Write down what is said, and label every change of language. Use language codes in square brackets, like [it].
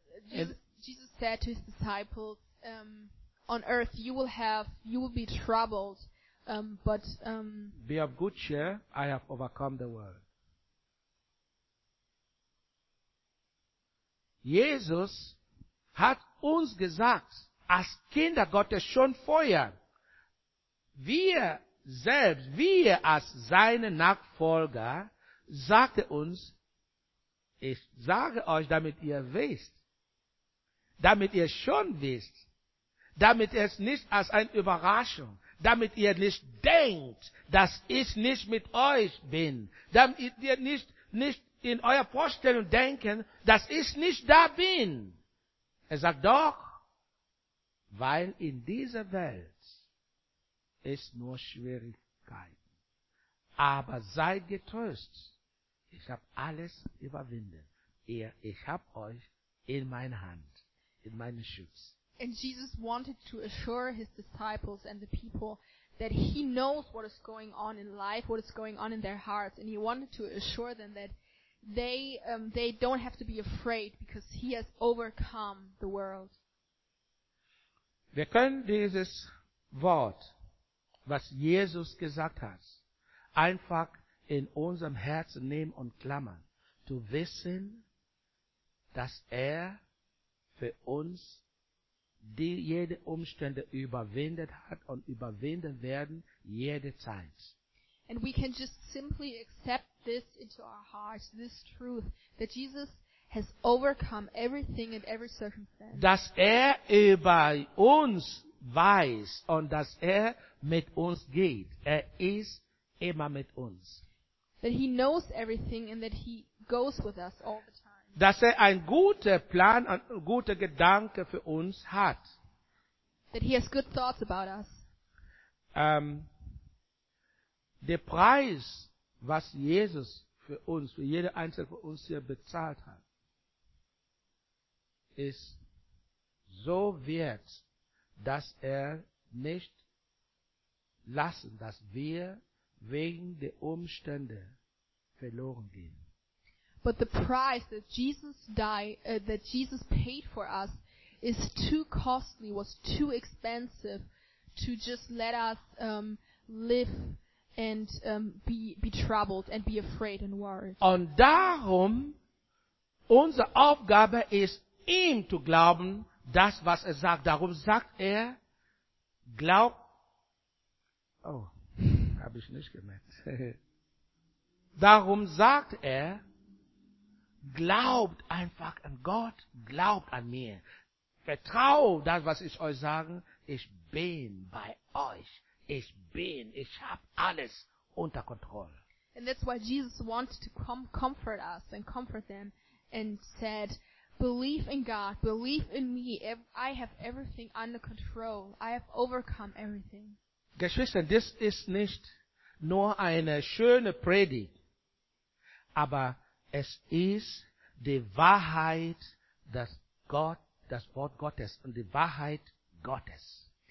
[en] Jesus said to his disciples, on earth you will be troubled, but be of good cheer, I have overcome the world. [de] Jesus hat uns gesagt, als Kinder Gottes schon vorher, wir als seine Nachfolger, sagte uns, ich sage euch, damit ihr schon wisst, damit es nicht als eine Überraschung, damit ihr nicht denkt, dass ich nicht mit euch bin, damit ihr nicht in eurer Vorstellung denken, dass ich nicht da bin. Er sagt doch, weil in dieser Welt es nur Schwierigkeiten. Aber seid getröst. Ich habe alles überwunden. Ich habe euch in meiner Hand, in meinen Schutz. [en] And Jesus wanted to assure his disciples and the people that he knows what is going on in life, what is going on in their hearts, and he wanted to assure them that they don't have to be afraid because he has overcome the world. [de] Wir können dieses Wort, was Jesus gesagt hat, einfach in unserem Herzen nehmen und klammern, zu wissen, dass für uns die jede Umstände überwindet hat und überwinden werden jede Zeit. [en] And we can just simply accept this into our hearts, this truth, that Jesus has overcome everything and every circumstance. [de] Dass über uns weiß und dass mit uns geht. Ist immer mit uns. [en] That he knows everything and that he goes with us all the time. [de] Dass einen guten Plan und gute Gedanken für uns hat. [en] That he has good thoughts about us. [de] Der Preis, was Jesus für uns, für jede einzelne von uns hier bezahlt hat, ist so wert, dass nicht lassen, dass wegen der Umstände verloren gehen. [en] But the price that Jesus Jesus paid for us is too costly, was too expensive to just let us live and be troubled and be afraid and worried. [de] Und darum unsere Aufgabe ist, ihm zu glauben, das was sagt. Darum sagt glaub. Oh, habe ich nicht gemerkt. Darum sagt glaubt einfach an Gott, glaubt an mir. Vertraue das, was ich euch sage. Ich bin bei euch. Ich habe alles unter Kontrolle. [en] And that's why Jesus wanted to comfort us and comfort them and said, believe in God, believe in me. I have everything under control. I have overcome everything. [de] Geschwister, das ist nicht nur eine schöne Predigt, aber es ist die Wahrheit, das Wort Gottes und die Wahrheit Gottes.